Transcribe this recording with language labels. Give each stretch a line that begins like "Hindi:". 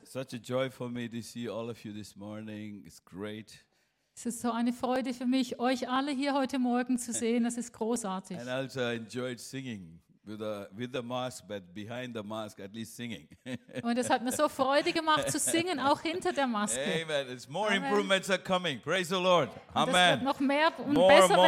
English: Such a joy for me to see all of you this morning. It's great.
German: Es ist so eine Freude für mich, euch alle hier heute Morgen zu sehen. Das ist großartig.
English: And also I enjoyed singing with the mask, but behind the mask, at least singing.
German: Und es hat mir so Freude gemacht zu singen, auch hinter der Maske.
English: Amen. It's more Amen. Improvements are coming. Praise the Lord. Amen.
German: Und es wird noch mehr und more besser more.